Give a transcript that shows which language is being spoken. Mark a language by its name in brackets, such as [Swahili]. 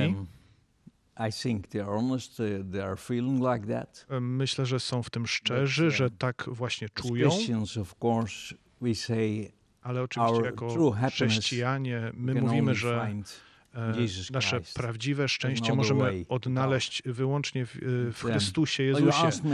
[English] And, I think they are honest, they are feeling like that. [Polish] Myślę, że są w tym szczerzy, że tak właśnie czują. [English] Christians, of course, we say [Polish] ale oczywiście jako chrześcijanie, my mówimy, że nasze prawdziwe szczęście możemy odnaleźć wyłącznie w Chrystusie Jezusie.